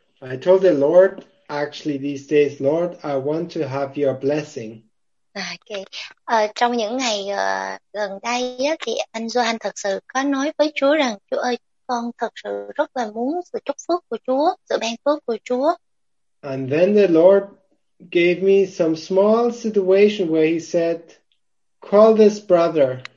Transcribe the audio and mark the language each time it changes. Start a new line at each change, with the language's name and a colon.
English: I told the Lord actually these days, Lord, I want to have your blessing.
Vietnamese: Trong những ngày gần đây á, thì anh Johan thật sự có nói với Chúa rằng Chúa ơi, con thật sự rất là muốn sự chúc phước của Chúa, sự ban phước của Chúa.
English: And then the Lord gave me some small situation where he said, call this brother.